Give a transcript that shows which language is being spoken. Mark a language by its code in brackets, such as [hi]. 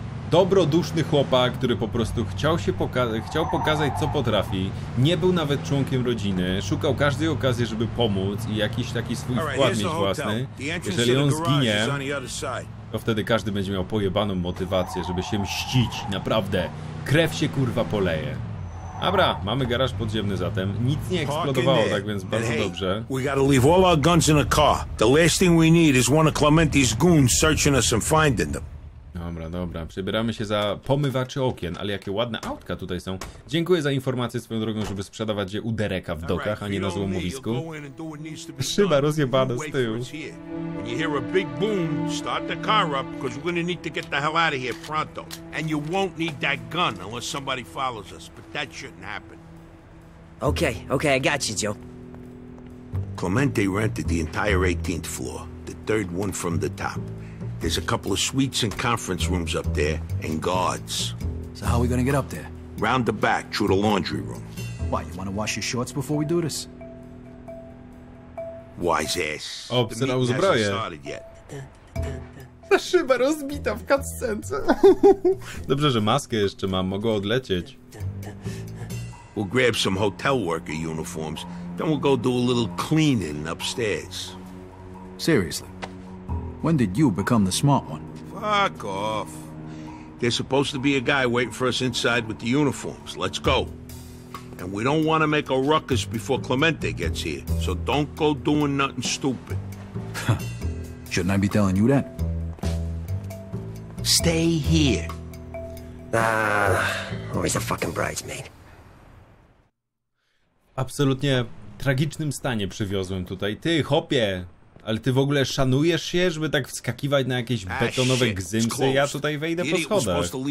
[pl] Dobroduszny chłopak, który po prostu chciał pokazać, co potrafi, nie był nawet członkiem rodziny, szukał każdej okazji, żeby pomóc i jakiś taki swój wkład mieć własny. Jeżeli on zginie, to wtedy każdy będzie miał pojebaną motywację, żeby się mścić, naprawdę. Krew się kurwa poleje. Dobra, mamy garaż podziemny zatem. Nic nie eksplodowało, tak więc bardzo dobrze. [en] We gotta leave all our guns in the car. The last thing we need is one of Clemente's goons searching us and finding them. [pl] Dobra. Przebieramy się za pomywaczy okien, ale jakie ładne autka tutaj są. Dziękuję za informację swoją drogą, żeby sprzedawać je u Dereka w dokach, a nie na złomowisku. Szyba rozjebana z tyłu. [en] When you hear a big boom, start the car up, because we're gonna need to get the hell out of here pronto. And you won't need that gun unless somebody follows us, but that shouldn't happen. Okay, I got you, Joe. Clemente rented the entire 18th floor, the third one from the top. There's a couple of suites and conference rooms up there, and guards. So how are we gonna get up there? Round the back, through the laundry room. What, you wanna wash your shorts before we do this? Wise ass. Ops, the meeting hasn't started yet. [pl] Ta szyba rozbita w cutscence. Dobrze, że maskę jeszcze mam, mogę odlecieć. [en] We'll grab some hotel worker uniforms, then we'll go do a little cleaning upstairs. Seriously? When did you become the smart one? Fuck off. There's supposed to be a guy waiting for us inside with the uniforms. Let's go. And we don't want to make a ruckus before Clemente gets here. So don't go doing nothing stupid. Shouldn't I be telling you that? Stay here. Where's the fucking bridesmaid? [pl] Absolutnie w tragicznym stanie przywiozłem tutaj. Ty, chopie! Ale ty w ogóle szanujesz się, żeby tak wskakiwać na jakieś betonowe gzymsy? Ja tutaj wejdę po schodach.